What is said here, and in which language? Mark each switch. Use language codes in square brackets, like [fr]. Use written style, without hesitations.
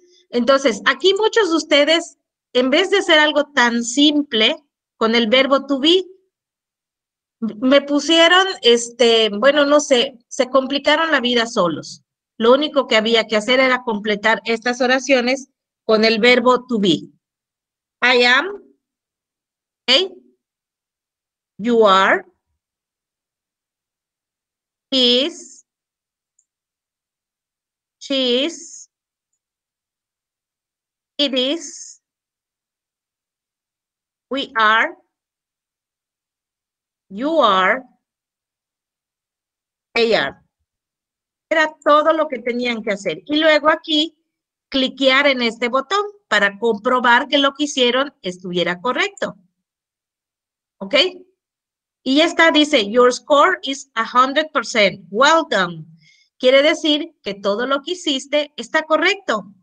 [es] Entonces, aquí muchos de ustedes, en vez de hacer algo tan simple con el verbo to be, me pusieron, se complicaron la vida solos. Lo único que había que hacer era completar estas oraciones con el verbo to be. [en] I am, ¿ok? You are, is, she is, it is, we are, you are, they are. [es] Era todo lo que tenían que hacer. Y luego aquí, cliquear en este botón para comprobar que lo que hicieron estuviera correcto. ¿Ok? Y ya está, dice, [en] your score is 100%. Welcome. [es] Quiere decir que todo lo que hiciste está correcto.